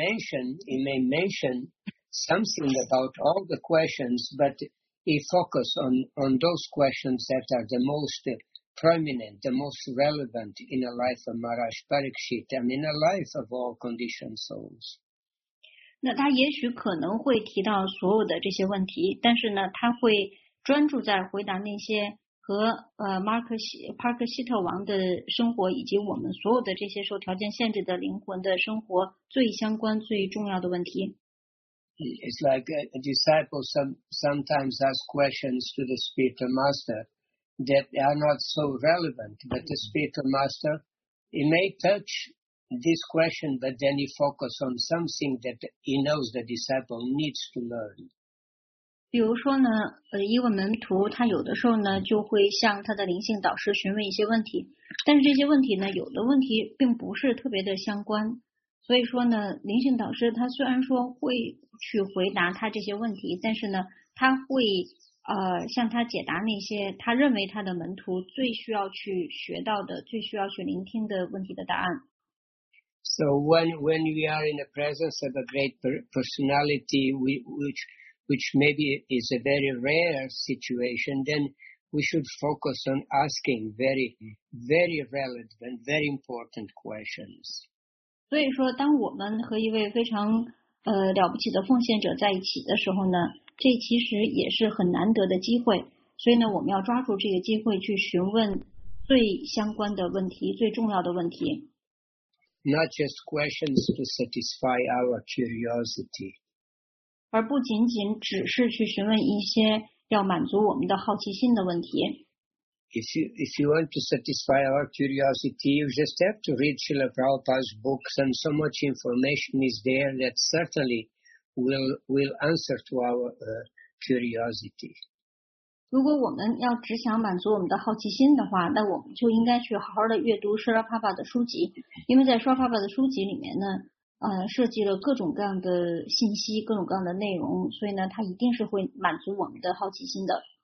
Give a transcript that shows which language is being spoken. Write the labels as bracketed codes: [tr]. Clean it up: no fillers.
[en] He may mention something about all the questions, but he focus on those questions that are the most prominent, the most relevant in the life of Maharaj Parikshit and in the life of all conditioned souls. [zh] 那他也许可能会提到所有的这些问题，但是呢，他会专注在回答那些和帕克希特王的生活以及我们所有的这些受条件限制的灵魂的生活最相关、最重要的问题。 [en] It's like a disciple sometimes ask questions to the spiritual master that are not so relevant, but the spiritual master, he may touch this question, but then he focus on something that he knows the disciple needs to learn. [zh] 比如说呢，一个门徒他有的时候呢就会向他的灵性导师询问一些问题，但是这些问题呢，有的问题并不是特别的相关，所以说呢，灵性导师他虽然说会去回答他这些问题，但是呢，他会向他解答那些他认为他的门徒最需要去学到的、最需要去聆听的问题的答案。 [en] So when we are in the presence of a great personality, which maybe is a very rare situation, then we should focus on asking very, very relevant, very important questions. [zh] 所以说当我们和一位非常了不起的奉献者在一起的时候呢，这其实也是很难得的机会，所以呢我们要抓住这个机会去询问最相关的问题，最重要的问题。 [en] Not just questions to satisfy our curiosity. [zh] 而不仅仅只是去询问一些要满足我们的好奇心的问题。 [en] If you want to satisfy our curiosity, you just have to read Srila Prabhupada's books, and so much information is there that certainly will answer to our curiosity. [zh] 如果我们要只想满足我们的好奇心的话，那我们就应该去好好的阅读 Srila Prabhupada 的书籍，因为在 Srila Prabhupada 的书籍里面呢设计了各种各样的信息，各种各样的内容，所以呢，它一定是会满足我们的好奇心的。